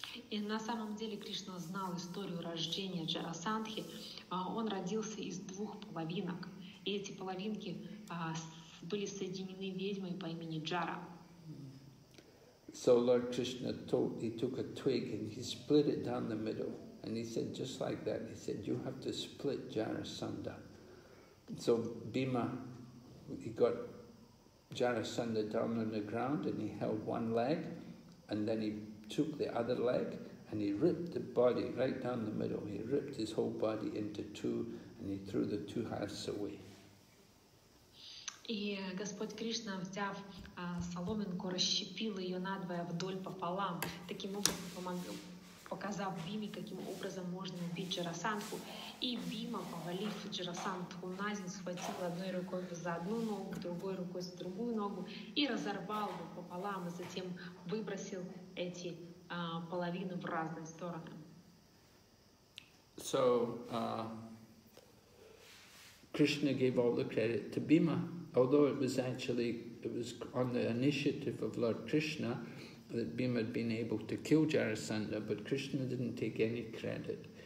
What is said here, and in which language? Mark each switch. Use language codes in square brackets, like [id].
[ru] И на самом деле Кришна знал историю рождения Джарасандхи. Он родился из двух половинок, и эти половинки были соединены ведьмой по имени Джара. [en] So Lord Krishna told, he took a twig and he split it down the middle, and he said, just like that, he said, you have to split Jarasandha. So Bhima, he got Jarasandha down on the ground and he held one leg, and then he took the other leg and he ripped the body right down the middle. He ripped his whole body into two and he threw the two halves away. [ru] И Господь Кришна, взяв соломинку, расщепил ее надвое вдоль пополам, таким образом помогал. Показав Бхиме, каким образом можно убить Джарасандху. И Бхима, повалив Джарасандху на землю, схватил одной рукой за одну ногу, другой рукой за другую ногу и разорвал его пополам, и затем выбросил эти половины в разные стороны. [en] So, Krishna gave all the credit to Bhima, although it was on the initiative of Lord Krishna, that Bhima had been able to kill Jarasandha, but Krishna didn't take any credit.